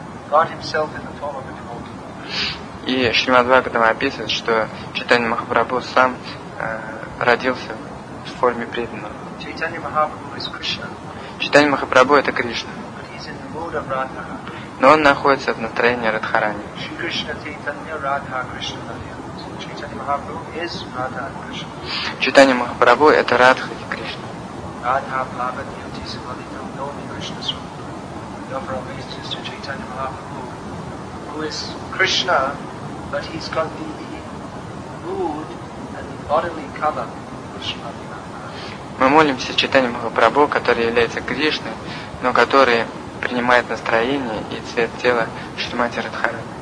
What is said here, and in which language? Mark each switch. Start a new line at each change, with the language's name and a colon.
English: God himself in the form of a devotee.
Russian: И Шримад Бхагаватам описывает, что Чайтанья Махапрабху сам родился в форме преданного.
English: Чайтанья Махапрабху is Krishna.
Russian: Чайтанья Махапрабху это Кришна.
English: But he's in the mood of Radha.
Russian: Но он находится в настроении Радхарани.
English: Shri Krishna Chaitanya Radha Krishna Chaitanya Mahaprabhu is Radha and Krishna.
Russian: Чайтанья Махапрабху это Радха и Кришна.
Sanskrit: Radha Bhavati Yuti Samadita Noni Krishna Swami.
English: We offer obeisances to Chaitanya Mahaprabhu, who is Krishna, but he's got the mood and the bodily color of Shrimati Mahaprabhu.
Russian: Мы молимся Чайтанья Махапрабху, который является Кришной, но который принимает настроение и цвет тела Шримати Радхары.